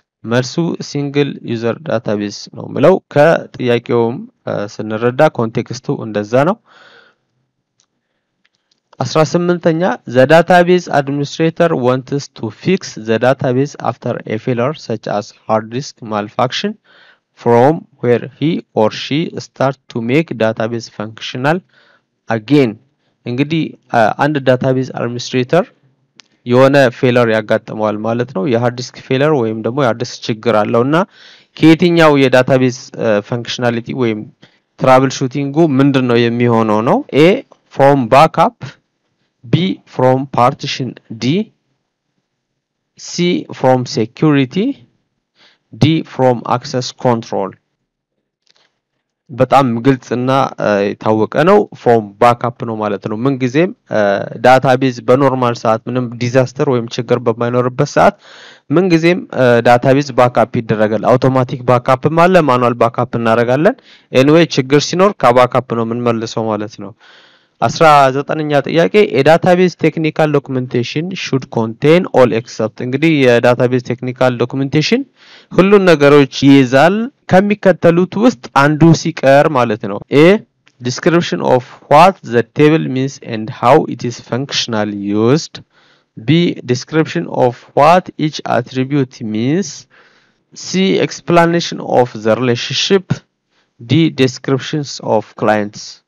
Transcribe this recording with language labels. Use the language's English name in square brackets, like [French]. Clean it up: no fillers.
[Amharic] መልሱ single user database ነው ማለት ነው። ከጥያቄው ስንረዳ ኮንቴክስቱ እንደዛ ነው። 18ኛ [English] the database administrator wants to fix the database after a failure such as hard disk malfunction from where he or she start to make database functional again. [Amharic] እንግዲህ አንድ database administrator የሆነ failure ያጋጥመዋል ማለት ነው። የhard disk failure ወይም ደግሞ የhard disk ችግር አለውና ከየትኛው የdatabase functionality ወይም troubleshooting-ጉ ምንድነው የሚሆነው ነው? [English] a from backup, b from partition, d c from security, d from access control. [Amharic] በጣም ግልጽና የታወቀ ነው from backup ነው ማለት ነው። ምን ጊዜም ዳታቤዝ በኖርማል ሰዓት ምንም ዲዛስተር ወይም ችግር በማይኖርበት ሰዓት ምን ጊዜም ዳታቤዝ ባካፕ ይደረጋል። አውቶማቲክ ባካፕ ማለ ማኑዋል ባካፕ እናረጋለን። ኤኒዌይ ችግር ሲኖር ከባካፕ ነው ምን መልሰው ማለት ነው። [English] 19ኛ ጥያቄ a database technical documentation should contain all except [Amharic] እንግዲህ የዳታቤዝ ቴክኒካል ዶክመንቴሽን ሁሉን ነገሮች ይይዛል ከሚከተሉት ውስጥ አንዱ ሲቀር ማለት ነው [English] a description of what the table means and how it is functionally used b description of what each attribute means c explanation of the relationship d descriptions of clients